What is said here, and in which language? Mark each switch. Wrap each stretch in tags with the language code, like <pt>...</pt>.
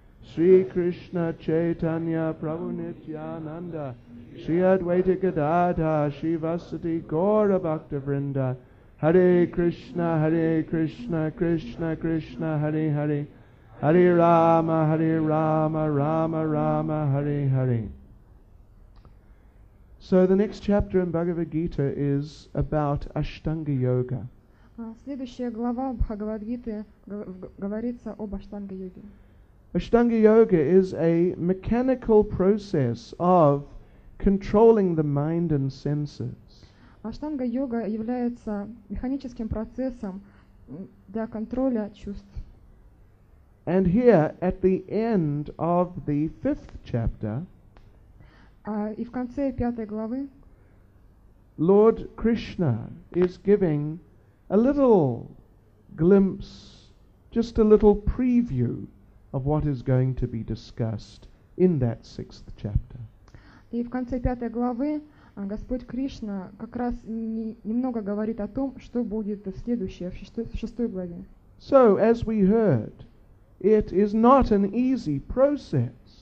<sa>Shri Krishna Chaitanya Prabhu Nityananda Shri Advaita Gadadha Shri Vasati Gaura Bhakta Vrinda Hare Krishna Krishna Krishna Hare Hare Hare Rama Rama Rama Hare Hare.</sa> <en>So the next chapter in Bhagavad Gita is about Ashtanga Yoga.</en> <ru>Следующая глава Бхагавад Гиты говорится об Аштанга Йоге.</ru> <en>Ashtanga Yoga is a mechanical process of controlling the mind and senses.</en> <ru>Ashtanga Yoga является механическим процессом для контроля чувств.</ru> <en>And here, at the end of the fifth chapter,</en> <ru>и в конце пятой главы,</ru> <en>Lord Krishna is giving a little glimpse, just a little preview of what is going to be discussed in that sixth chapter.</en> <ru>И в конце пятой главы Господь Кришна как раз немного говорит о том, что будет в следующей, в шестой главе.</ru> <en>So, as we heard, it is not an easy process.</en>